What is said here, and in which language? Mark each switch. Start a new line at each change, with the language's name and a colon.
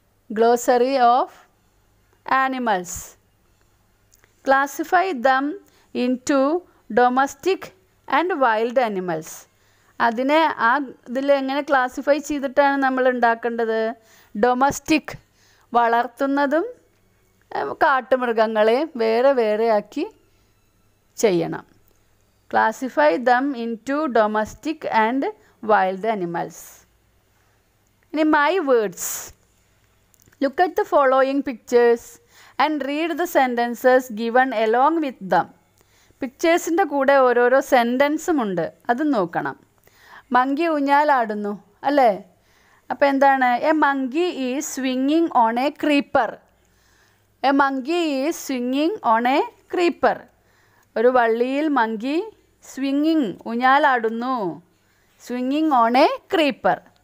English: Glossary of animals. Classify them into domestic and wild animals.
Malayalam: അതിനെ ആ ഇതിൽ എങ്ങനെ ക്ലാസിഫൈ ചെയ്തിട്ടാണ് നമ്മൾ ഉണ്ടാക്കേണ്ടത്? ഡൊമസ്റ്റിക്, വളർത്തുന്നതും കാട്ടുമൃഗങ്ങളെയും വേറെ വേറെയാക്കി ചെയ്യണം.
English: classify them into domestic and wild animals. In my words, look at the following pictures and read the sentences given along with them.
Malayalam: പിക്ചേഴ്സിൻ്റെ കൂടെ ഓരോരോ സെൻറ്റൻസും ഉണ്ട്, അത് നോക്കണം. മങ്കി ഊഞ്ഞാലാടുന്നു അല്ലേ, അപ്പോൾ എന്താണ്?
English: A monkey is സ്വിങ്ങിങ് on A creeper. A monkey is സ്വിങ്ങിങ് on A creeper.
Malayalam: ഒരു വള്ളിയിൽ monkey സ്വിങ്ങിങ് ഊഞ്ഞാലാടുന്നു,
English: സ്വിങ്ങിങ് on A creeper.